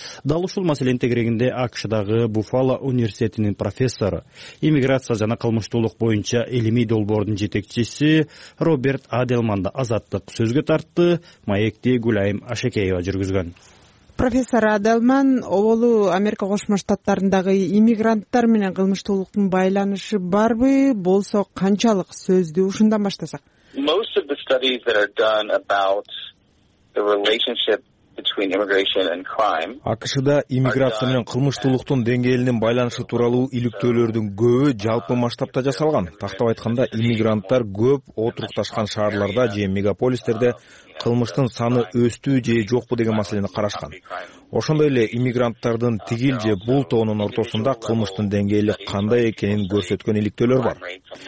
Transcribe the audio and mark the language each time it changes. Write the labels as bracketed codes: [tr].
[ky] Дал ушул маселенин тегерегинде АКШдагы Буффало университетинин профессору, иммиграция жана кылмыштуулук боюнча илимий долбоордун жетекчиси Роберт Аделманды Азаттык сөзгө тартты. Маекти Гүлайым Ашекеева жүргүзгөн. Профессор Аделман, оолу Америка Кошмо Штаттарындагы иммигранттар менен кылмыштуулуктун байланышы барбы, болсо канчалык? Сөздү ушундан баштасак. [en] Most of the studies that are done about the relationship between immigration and crime. [ky] АКШда иммиграция менен кылмыштуулуктун деңгээлинин байланышы тууралуу иликтөөлөрдүн көбү жалпы масштабта жасалган. Тактап айтканда, иммигранттар көп отурукташкан шаарларда же мегаполистерде кылмыштын саны өстүү же жокпу деген маселени карашкан. Ошондой эле иммигранттардын тигил же бул тоонун ортосунда кылмыштын деңгээли кандай экенин көрсөткөн иликтөөлөр бар.